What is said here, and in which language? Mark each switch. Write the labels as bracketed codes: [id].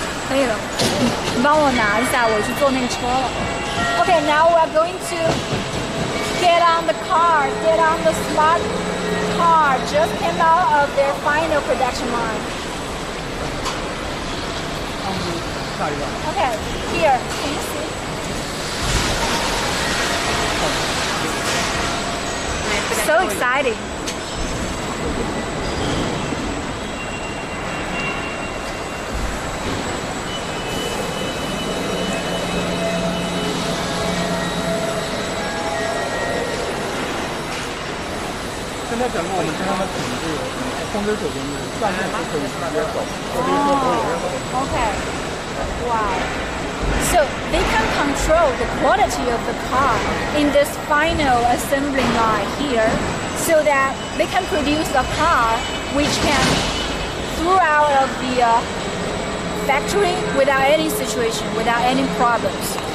[zh] 可以了，你帮我拿一下，我去坐那个车了。 [en] Okay, now we are going to get on the car, get on the smart car. Just came out of their final production line. Okay, here, can you see? So exciting. [zh] 现在整个我们身上的体温是控制水平，暂时不可以直接走，我们也不能走。 OK， 哇、wow.。 [en] So they can control the quality of the car in this final assembly line here, so that they can produce a car which can throw out of the factory without any situation, without any problems.